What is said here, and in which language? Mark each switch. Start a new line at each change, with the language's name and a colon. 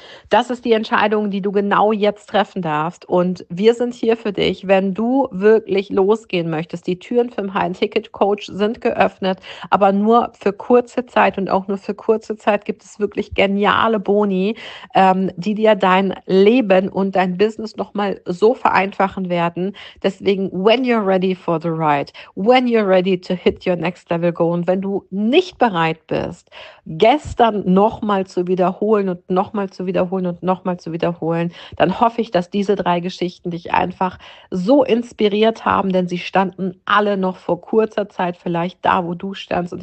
German: Das ist die Entscheidung, die du genau jetzt treffen darfst. Und wir sind hier für dich, wenn du wirklich losgehen möchtest. Die Türen für den High-Ticket-Coach sind geöffnet, aber nur für kurze Zeit. Und auch nur für kurze Zeit gibt es wirklich geniale Boni, die dir dein Leben und dein Business nochmal so vereinfachen werden. Deswegen,
English: when you're ready for the ride, when you're ready to hit your next level goal.
German: Und wenn du nicht bereit bist, gestern nochmal zu wiederholen und nochmal zu wiederholen und nochmal zu wiederholen, dann hoffe ich, dass diese drei Geschichten dich einfach so inspiriert haben, denn sie standen alle noch vor kurzer Zeit vielleicht da, wo du standst.